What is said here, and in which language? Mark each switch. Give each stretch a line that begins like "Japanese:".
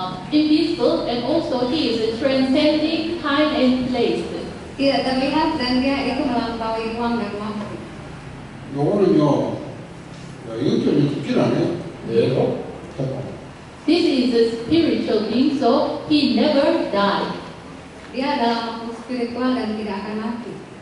English: In this book and also he is transcending time and place.
Indonesian: Tidak terlihat dan dia itu melampaui ruang dan waktu. Yang orang yang itu yang tidak ada. Ya.
English: This is a spiritual being, so he never died.
Indonesian: Dia dalam waktu spiritual dan tidak akan mati.